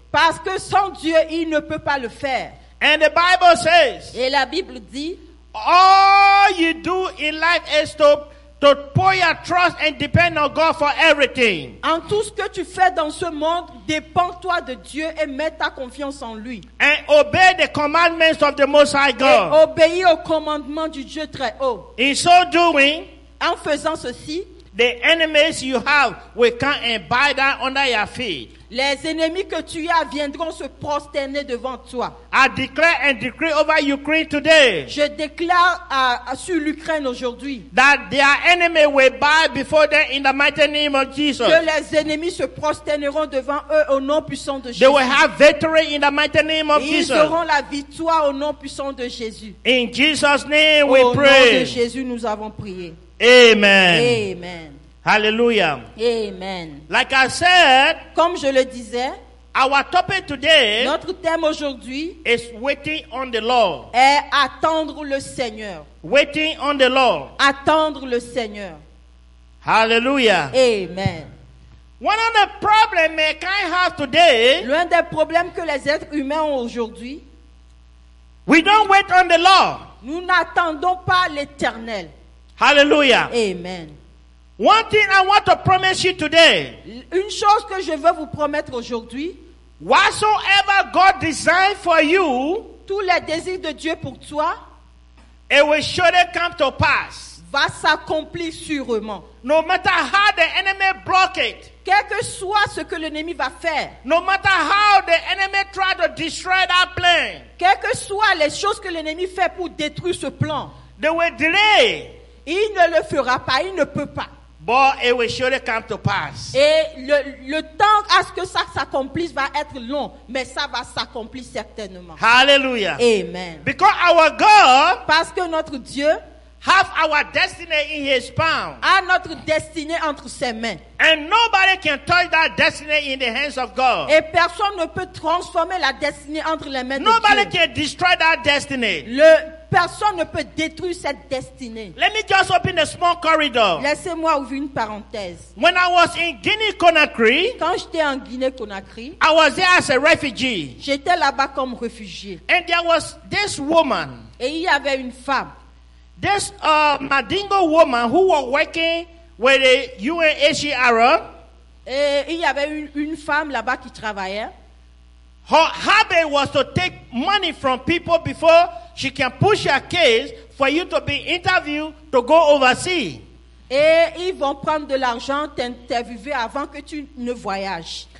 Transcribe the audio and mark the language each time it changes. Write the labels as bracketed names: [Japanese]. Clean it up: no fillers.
[French] Parce que sans Dieu, ils ne peuvent pas le faire. [English] And the Bible says, [French] et la Bible dit, [English] all you do in life is to put your trust and depend on God for everything. [French] En tout ce que tu fais dans ce monde, dépends-toi de Dieu et mets ta confiance en lui. [English] And obey the commandments of the Most High God. [French] Et obéis aux commandements du Dieu très haut. [English] In so doing, [French] en faisant ceci, [English] the enemies you have will come and bow down under your feet. [French] Les ennemis que tu as viendront se prosterner devant toi. [English] I declare and decree over Ukraine today. [French] Je déclare sur l'Ukraine aujourd'hui. [English] That their enemy will bow before them in the mighty name of Jesus. [French] Que les ennemis se prosterneront devant eux au nom puissant de Jésus. [English] They will have victory in the mighty name of Jesus. [French] Ils auront la victoire au nom puissant de Jésus. [English] In Jesus' name we pray. [French] Au nom de Jésus nous avons prié. [English] Amen. [French] Amen. [English] Hallelujah. [French] Amen. [English] Like I said, [French] comme je le disais, [English] our topic today, [French] notre thème aujourd'hui, [English] is waiting on the Lord. [French] Est attendre le Seigneur. [English] Waiting on the Lord. [French] Attendre le Seigneur. [English] Hallelujah. [French] Amen. [English] One of the problems mankind have today, [French] l'un des problèmes que les êtres humains ont aujourd'hui, [English] we don't wait on the Lord. [French] Nous n'attendons pas l'Éternel. [English] Hallelujah. [French] Amen. [English] One thing I want to promise you today. [French] Une chose que je veux vous promettre aujourd'hui. [English] Whatsoever God designed for you. [French] Tous les désirs de Dieu pour toi. [English] It will surely come to pass. [French] Va s'accomplir sûrement. [English] No matter how the enemy block it. [French] Quel que soit ce que l'ennemi va faire. [English] No matter how the enemy try to destroy that plan. [French] Quel que soit les choses que l'ennemi fait pour détruire ce plan. [English] They will delay. [French] Il ne le fera pas, il ne peut pas. [English] But it will surely come to pass. [French] Et le temps à ce que ça s'accomplisse va être long, mais ça va s'accomplir certainement. [English] Hallelujah. [French] Amen. [English] Because our God, [French] parce que notre Dieu, [English] have our destiny in His palm, [French] a notre destinée entre ses mains, [English] and nobody can touch that destiny in the hands of God. [French] Et personne ne peut transformer la destinée entre les mains [English] nobody [French] de Dieu. [English] Nobody can destroy that destiny. [French] Personne ne peut détruire cette destinée. [English] Let me just open a small corridor. [French] Laissez-moi ouvrir une parenthèse. [English] When I was in Guinea Conakry, [French] quand j'étais en Guinée-Conakry, [English] I was there as a refugee. [French] J'étais là-bas comme réfugié. [English] And there was this woman. [French] Et il y avait une femme. [English] This Mandingo woman who was working with the UNHCR. [French] Et il y avait une femme là-bas qui travaillait. [English] Her habit was to take money from people before she can push her case for you to be interviewed to go overseas. [French] Et ils vont prendre de l'argent t'interviewer avant que tu ne voyages.